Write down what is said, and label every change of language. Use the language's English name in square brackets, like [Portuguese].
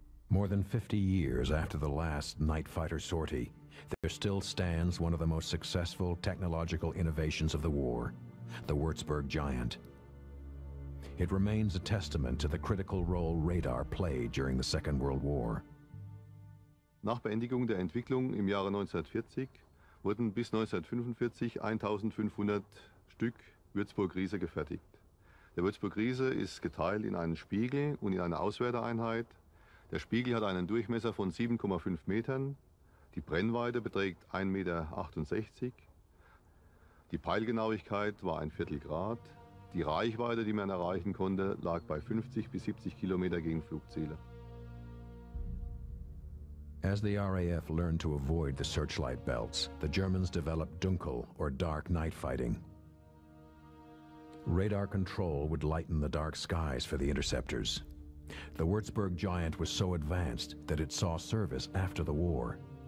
[English] More than 50 years after the last night fighter sortie, there still stands one of the most successful technological innovations of the war, the Würzburg Giant. It remains a testament to the critical role radar played during the Second World War. [German] Nach Beendigung der Entwicklung im Jahre 1940 wurden bis 1945 1500 Stück Würzburg Riese gefertigt. Der Würzburg Riese ist geteilt in einen Spiegel und in eine Auswerteeinheit. Der Spiegel hat einen Durchmesser von 7,5 Metern. Die Brennweite beträgt 1,68 Meter. Die Peilgenauigkeit war ein Viertelgrad. Die Reichweite, die man erreichen konnte, lag bei 50 bis 70 Kilometer gegen Flugziele. [English] As the RAF learned to avoid the searchlight belts, the Germans developed Dunkel or dark night fighting. Radar control would lighten the dark skies for the interceptors. The Würzburg Giant was so advanced that it saw service after the war.